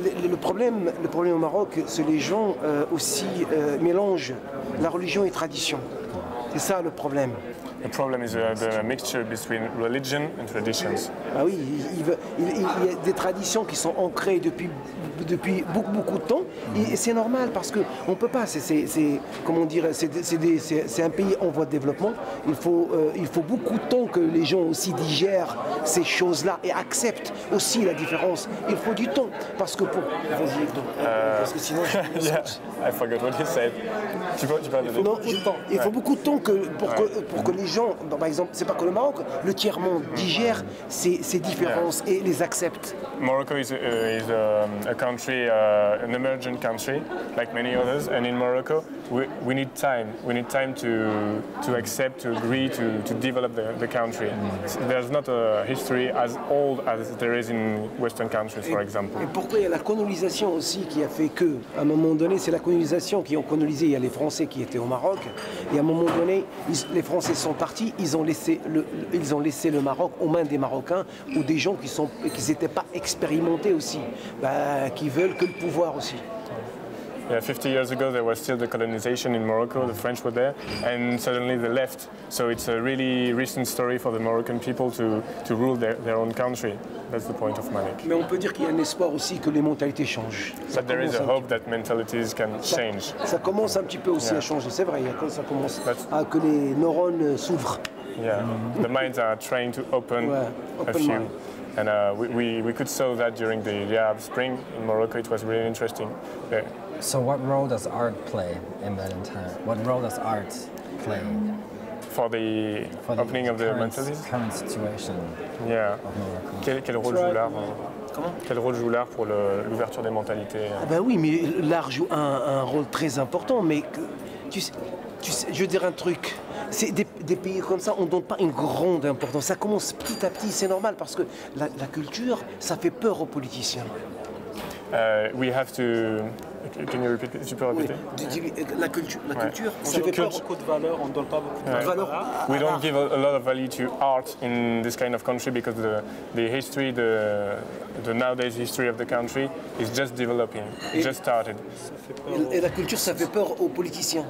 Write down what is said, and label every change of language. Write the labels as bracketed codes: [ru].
[fr] Le problème au Maroc, c'est que les gens aussi mélangent la religion et tradition. C'est ça le problème. [en] The problem is the mixture between religion and traditions. [fr] Ah oui, il y a des traditions qui sont ancrées depuis beaucoup beaucoup de temps. Mm-hmm. Et c'est normal parce que on peut pas. C'est un pays en voie de développement. Il faut beaucoup de temps que les gens aussi digèrent ces choses-là et acceptent aussi la différence. Il faut du temps parce que pour. Vas-y, parce que sinon. [en] Yeah, I forgot what you said. [fr] Il faut beaucoup de temps pour que les gens, par exemple, c'est pas que le Maroc, le tiers monde digère ces différences et les accepte. [en] Morocco is a country, an emerging country, like many others. And in Morocco, we need time. We need time to accept, to agree, to develop the country. There's not a history as old as there is in Western countries, for example. [fr] Et pourquoi il y a la colonisation aussi qui a fait que, à un moment donné, c'est la colonisation qui ont colonisé. Il y a les Français qui étaient au Maroc, et à un moment donné, les Français sont partis, ils ont laissé le Maroc aux mains des Marocains ou des gens qui n'étaient pas expérimentés aussi, qui veulent que le pouvoir aussi. [en] Yeah, 50 years ago there was still the colonization in Morocco, the French were there, and suddenly they left. So it's a really recent story for the Moroccan people to rule their own country. That's the point of Malek. [fr] Mais on peut dire qu'il y a un espoir aussi que les mentalités changent. [en] But there is a hope that mentalities can change. [fr] Ça commence un petit peu aussi à changer, c'est vrai, quand ça commence à que les neurones s'ouvrent. [en] Yeah, mm-hmm. The minds are trying to open, open a few. Mind. And we could saw that during the Arab Spring in Morocco. It was really interesting. Yeah. So what role does art play in that entire? What role does art play for the opening of the mentalities? Current situation. Yeah. Of Morocco. [fr] Quel rôle joue l'art? Quel rôle joue l'art pour l'ouverture des mentalités? Ah ben oui, mais l'art joue un rôle très important. Mais tu sais, Tu sais, je veux dire un truc. C'est des pays comme ça, on ne donne pas une grande importance. Ça commence petit à petit, c'est normal, parce que la culture, ça fait peur aux politiciens. [en] We have to... Can you repeat? [fr] Tu peux répéter? Oui. La culture, ouais. On ne donne pas beaucoup de valeur, on ne donne pas beaucoup de valeur. [en] We don't give a lot of value to art in this kind of country because the history, the nowadays history of the country is just developing, it just started. [fr] Et la culture, ça fait peur aux politiciens.